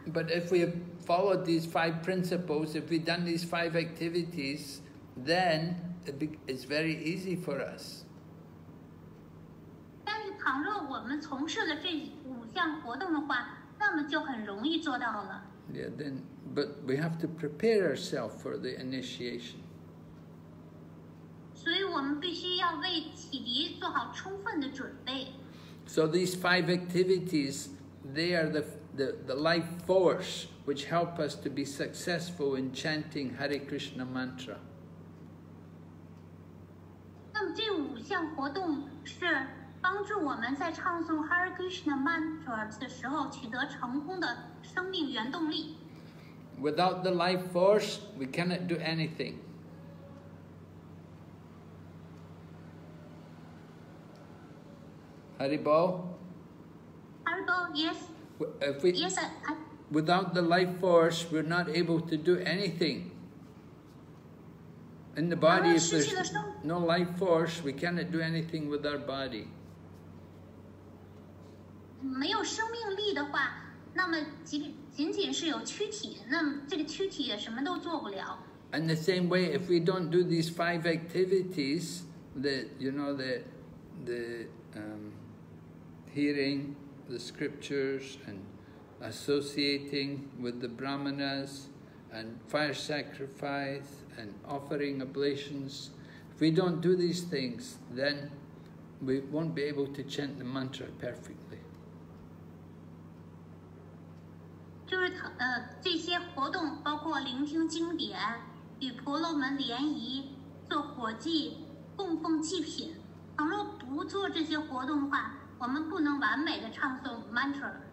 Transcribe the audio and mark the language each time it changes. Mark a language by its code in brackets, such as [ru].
[en] But if we have followed these five principles, if we've done these five activities, then it's very easy for us. [zh] 但是倘若我们从事了这五项活动的话那么就很容易做到了。 [en] Yeah, then, but we have to prepare ourselves for the initiation. [zh] 所以我们必须要为启迪做好充分的准备。 [en] So these five activities, they are the life force which help us to be successful in chanting Hare Krishna mantra. [zh] 那么这五项活动是帮助我们在唱诵 Hare Krishna mantra 的时候取得成功的生命原动力。 [en] Without the life force, we cannot do anything. Haribo? Haribo, yes. If we, yes, without the life force, we're not able to do anything. In the body, if there's no life force, we cannot do anything with our body. [zh] 没有生命力的话，那么仅仅是有躯体，那么这个躯体也什么都做不了。 [en] In the same way, if we don't do these five activities, hearing the scriptures and associating with the brahmanas and fire sacrifice and offering oblations. If we don't do these things, then we won't be able to chant the mantra perfectly. [zh] 就是这些活动包括聆听经典与婆罗门联谊做火祭供奉祭品倘若不做这些活动的话我们不能完美的唱诵 mantra。